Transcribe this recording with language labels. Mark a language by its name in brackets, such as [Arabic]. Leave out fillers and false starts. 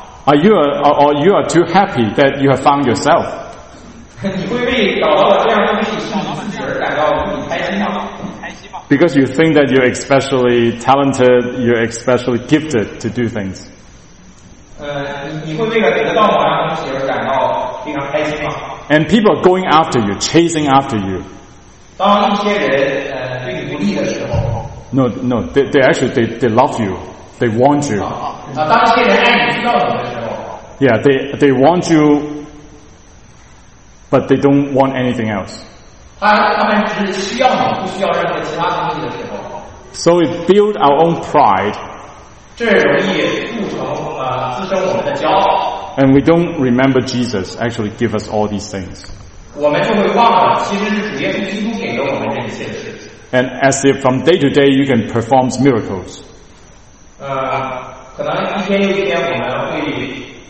[English] Are you or you are too happy that you have found yourself? [Chinese] 你会为找到了这样东西自己而感到很开心吗？ [English] Because you think that you're especially talented, you're especially gifted to do things. [Chinese] 你会为了得到某样东西而感到非常开心吗？ [English] And people are going after you, chasing after you. [Chinese] 当一些人对你不利的时候， [English] No, they love you. They want you. [Chinese] 当这些人爱你知道你的时候， [English] Yeah, they want you, but they don't want anything else. [Chinese] 他们只需要你，不需要任何其他东西的时候。 [English] So we build our own pride. [Chinese] 这容易铸成滋生我们的骄傲。 [English] And we don't remember Jesus actually give us all these things. [Chinese] 我们就会忘了，其实是主耶稣基督给了我们这一切的事。 [English] And as if from day to day you can perform miracles. [Chinese] 可能一天又一天，我们会，